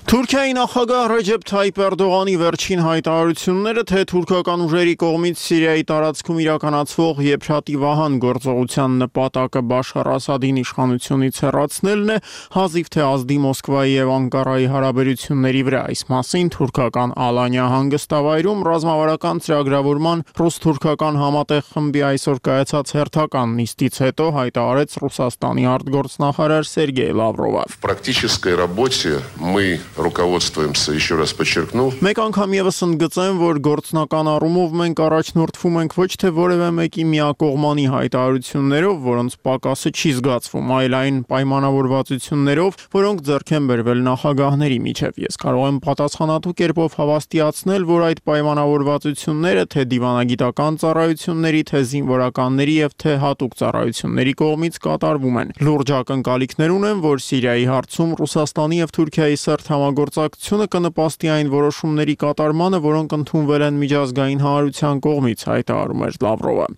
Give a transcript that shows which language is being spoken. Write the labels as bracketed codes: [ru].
[hy] Թուրքիայի նախագահ Ռեջեփ Թայյիփ Էրդողանի վերջին հայտարարությունները, թե թուրքական ուժերի կողմից Սիրիայի տարածքում իրականացվող Եփշատի Վահան գործողության նպատակը Բաշար Ասադին իշխանությունից հեռացնելն է, հազիվ թե ազդի Մոսկվայի և Անկարայի հարաբերությունների վրա։ Այս մասին թուրքական Ալանյա հանգստավայրում ռազմավարական ծրագրավորման ռուս-թուրքական համատեղ խմբի այսօր կայացած հերթական նիստից հետո հայտարարեց Ռուսաստանի արտգործնախարար Սերգեյ Լավրովը։ [ru] Руководствуемся, еще раз подчеркну. [hy] Մեկ անգամ եւս ընդգծեմ, որ գործնական առումով մենք առաջնորդվում ենք ոչ թե որևէ մեկի միակողմանի հայտարարություններով, որոնց պակասը չի զգացվում, այլ այն պայմանավորվածություններով, որոնք ձեռք են բերվել նախագահների միջև։ Ես կարող եմ պատասխանատու կերպով հավաստիացնել, որ այդ պայմանավորվածությունները թե դիվանագիտական ծառայությունների, թե զինվորականների եւ թե հատուկ ծառայությունների կողմից կատարվում են։ Լուրջ ակնկալիքներ ունեմ, որ Սիրիայի հարցում Ռուսաստանի եւ Թուրքիայի սերտ համագործակցությունը կնպաստի այն որոշումների կատարմանը, որոնք ընդունվել են միջազգային հանրության կողմից, հայտարարում էր Լավրովը։